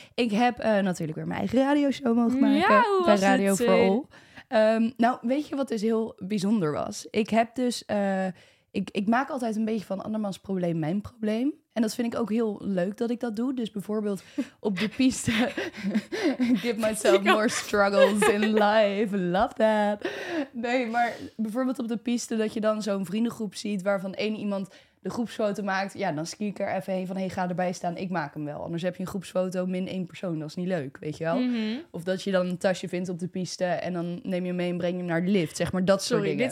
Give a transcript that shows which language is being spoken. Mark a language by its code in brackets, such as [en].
[nl] Ik heb natuurlijk weer mijn eigen radioshow mogen maken. Ja, bij Radio for All. Weet je wat dus heel bijzonder was? Ik heb dus... Ik maak altijd een beetje van andermans probleem mijn probleem. En dat vind ik ook heel leuk dat ik dat doe. Dus bijvoorbeeld op de piste... [en] give myself more struggles in life. Love that. [nl] Nee, maar bijvoorbeeld op de piste dat je dan zo'n vriendengroep ziet... waarvan één iemand de groepsfoto maakt. Ja, dan ski ik er even heen van, ga erbij staan. Ik maak hem wel. Anders heb je een groepsfoto min 1 persoon. Dat is niet leuk, weet je wel. Mm-hmm. Of dat je dan een tasje vindt op de piste en dan neem je hem mee en breng je hem naar de lift. Zeg maar dat soort dingen.